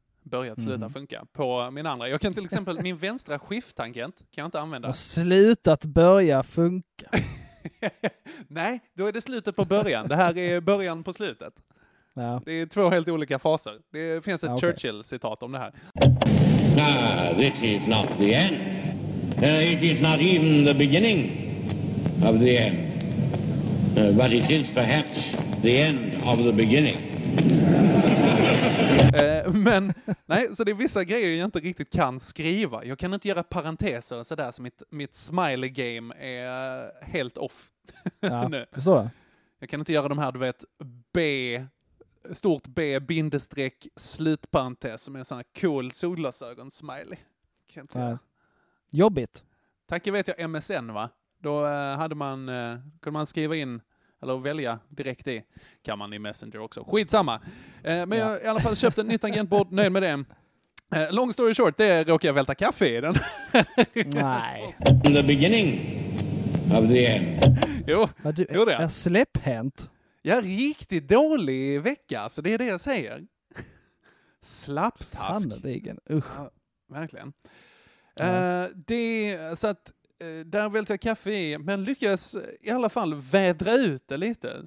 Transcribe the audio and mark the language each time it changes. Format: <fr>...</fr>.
<sv>Börjat sluta funka på min andra. Jag kan till exempel, min vänstra skift-tangent kan jag inte använda. Har slutat börja funka. Nej, då är det slutet på början. Det här är början på slutet. Ja. Det är två helt olika faser. Det finns ett Churchill-citat om det här.</sv> <en>No, this is not the end. It is not even the beginning of the end. But it is perhaps the end of the beginning.</en> <sv>Men, nej, så det är vissa grejer jag inte riktigt kan skriva. Jag kan inte göra parenteser och sådär, så mitt smiley game är helt off. Ja, så. Jag kan inte göra de här, du vet, B, stort B, bindestreck, slutparentes, som är en sån här cool solglasögon smiley. Jobbigt. Tack, vet jag, MSN va? Då kunde man skriva in eller välja direkt i. Kan man i Messenger också. Skitsamma. Men jag i alla fall köpte en ny tangentbord, nöjd med det.</sv> <en>Long story short,</en> <sv>det råkade jag välta kaffe i den. Nej.</sv> <en>In the beginning of the end.</en> <sv>Jo, du, gjorde jag. Är släpphänt? Jag är riktigt dålig vecka, så det är det jag säger. Slapptask. Sannoliken, usch. Ja, verkligen. Ja. Det är så att där välte jag kaffe i, men lyckas i alla fall vädra ut det lite.</sv>